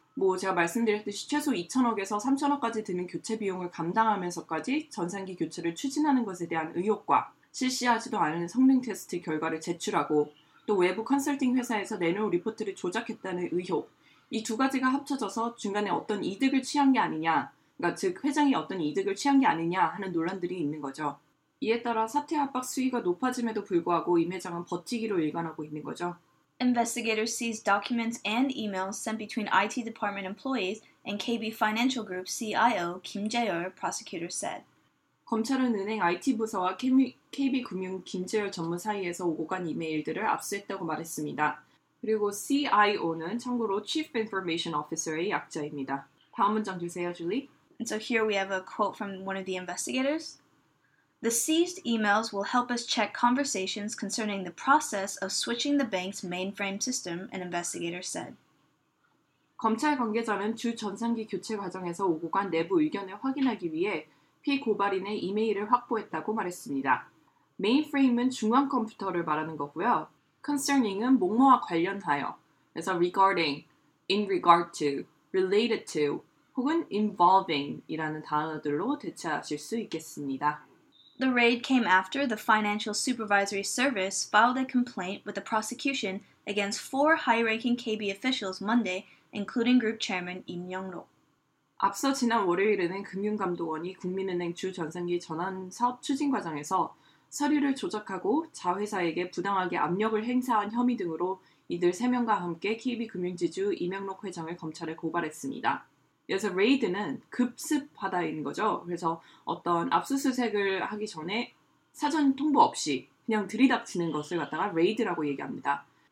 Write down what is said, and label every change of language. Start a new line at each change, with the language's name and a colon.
Korean: 뭐 제가 말씀드렸듯이 최소 2천억에서 3천억까지 드는 교체 비용을 감당하면서까지 전산기 교체를 추진하는 것에 대한 의혹과 실시하지도 않은 성능 테스트 결과를 제출하고 또 외부 컨설팅 회사에서 내놓은 리포트를 조작했다는 의혹, 이 두 가지가 합쳐져서 중간에 어떤 이득을 취한 게 아니냐, 그러니까 즉 회장이 어떤 이득을 취한 게 아니냐 하는 논란들이 있는 거죠. 이에 따라 사태 압박 수위가 높아짐에도 불구하고 임 회장은 버티기로 일관하고 있는 거죠.
English: Investigators seized documents and emails sent between IT department employees and KB Financial Group CIO Kim Jae-eul, prosecutors said.
Korean: 검찰은 은행 IT 부서와 KB금융 김재열 전무 사이에서 오고 간 이메일들을 압수했다고 말했습니다. 그리고 CIO는 참고로 Chief Information Officer의 약자입니다. 다음 문장 주세요, Julie.
English: And so here we have a quote from one of the investigators. The seized emails will help us check conversations concerning the process of switching the bank's mainframe system, an investigator said.
Korean: 검찰 관계자는 주 전산기 교체 과정에서 오고 간 내부 의견을 확인하기 위해 피고발인의 이메일을 확보했다고 말했습니다. Mainframe은 중앙 컴퓨터를 말하는 거고요. Concerning은 뭐뭐와 관련하여, 그래서 regarding, in regard to, related to, 혹은 involving 이라는 단어들로 대체하실 수 있겠습니다.
English: The raid came after the Financial Supervisory Service filed a complaint with the prosecution against four high-ranking KB officials Monday, including Group Chairman Im Young-rok.
Korean: 앞서 지난 월요일에는 금융감독원이 국민은행 주전산기 전환 사업 추진 과정에서 서류를 조작하고 자회사에게 부당하게 압력을 행사한 혐의 등으로 이들 3명과 함께 KB금융지주 이명록 회장을 검찰에 고발했습니다. 그래서 레이드는 급습하다인 거죠. 그래서 어떤 압수수색을 하기 전에 사전 통보 없이 그냥 들이닥치는 것을 갖다가 레이드라고 얘기합니다.